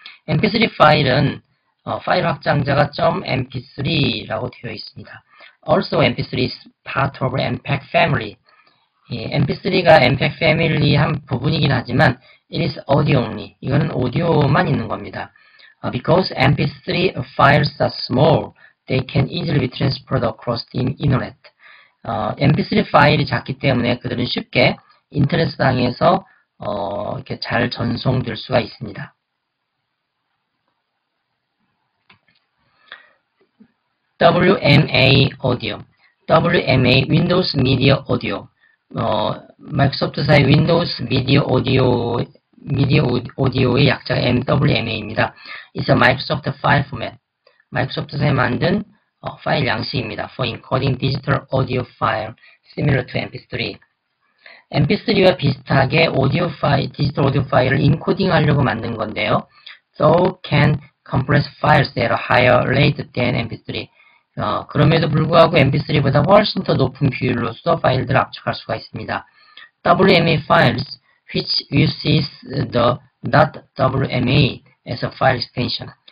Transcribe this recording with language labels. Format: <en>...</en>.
<ko>MP3 파일은 파일 확장자가 .mp3라고 되어 있습니다.</ko> <en>Also MP3 is part of MPEG family.</en> <ko>예, MP3가 MPEG family 한 부분이긴 하지만</ko> <en>it is audio only.</en> <ko>이거는 오디오만 있는 겁니다.</ko> <en>Because MP3 files are small, they can easily be transferred across the internet.</en> <ko>MP3 파일이 작기 때문에 그들은 쉽게 인터넷상에서 이렇게 잘 전송될 수가 있습니다.</ko> <en>WMA Audio. WMA, Windows Media Audio.</en> <ko>마이크로소프트사의 Windows Media Audio, Media Audio의 약자가 WMA입니다.</ko> <en>It's a Microsoft file format.</en> <ko>마이크로소프트에서 만든 파일 양식입니다.</ko> <en>For encoding digital audio file similar to MP3.</en> <ko>MP3와 비슷하게 오디오 파일, 디지털 오디오 파일을 인코딩하려고 만든 건데요.</ko> <en>So can compress files at a higher rate than MP3.</en> <ko>그럼에도 불구하고 MP3보다 훨씬 더 높은 비율로서 파일들을 압축할 수가 있습니다.</ko> <en>WMA files which uses the .wma as a file extension.</en>